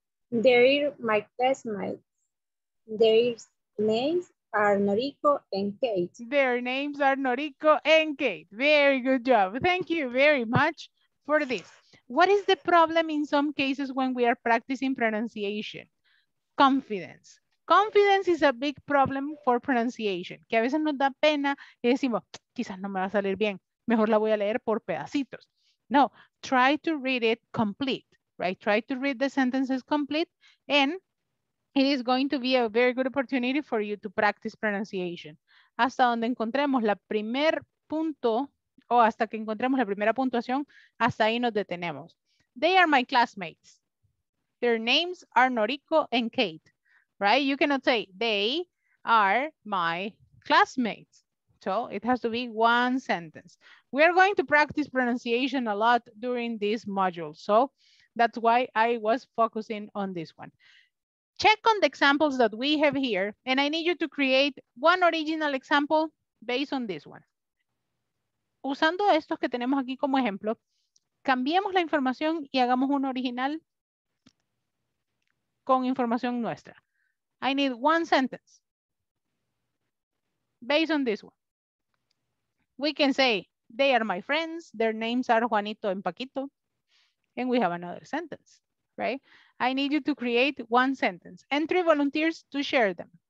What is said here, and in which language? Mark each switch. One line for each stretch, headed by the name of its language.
English: They're my classmates. Their names are Noriko and Kate. Their names are Noriko and Kate. Very good job. Thank you very much. For this, what is the problem in some cases when we are practicing pronunciation? Confidence. Confidence is a big problem for pronunciation.
Spanish: Que a veces nos da pena y decimos, quizás no me va a salir bien. Mejor la voy a leer por pedacitos. No,
English: try to read it complete, right? Try to read the sentences complete and it is going to be a very good opportunity for you to practice pronunciation.
Spanish: Hasta donde encontremos la primer punto o hasta que encontremos la primera puntuación, hasta ahí nos detenemos.
English: They are my classmates. Their names are Noriko and Kate, right? You cannot say, they are my classmates. So it has to be one sentence. We are going to practice pronunciation a lot during this module. So that's why I was focusing on this one. Check on the examples that we have here, and I need you to create one original example based on this one.
Spanish: Usando estos que tenemos aquí como ejemplo, cambiemos la información y hagamos uno original con información nuestra.
English: I need one sentence based on this one. We can say, they are my friends, their names are Juanito and Paquito, and we have another sentence, right? I need you to create one sentence and three volunteers to share them.